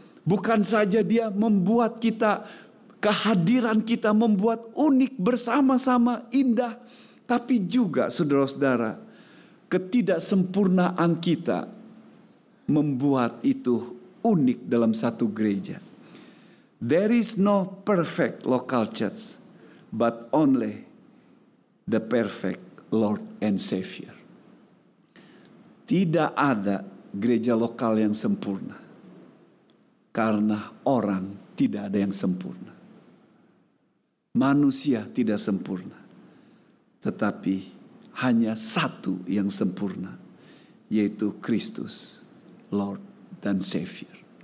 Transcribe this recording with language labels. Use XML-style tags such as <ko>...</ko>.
<id>Bukan saja dia membuat kita, kehadiran kita membuat unik bersama-sama indah, tapi juga saudara-saudara, ketidaksempurnaan kita membuat itu unik dalam satu gereja.</id> <en>There is no perfect local church, but only the perfect Lord and Savior.</en> <id>Tidak ada gereja lokal yang sempurna, karena orang tidak ada yang sempurna. Manusia tidak sempurna, tetapi hanya satu yang sempurna, yaitu Kristus, Lord dan Savior.</id>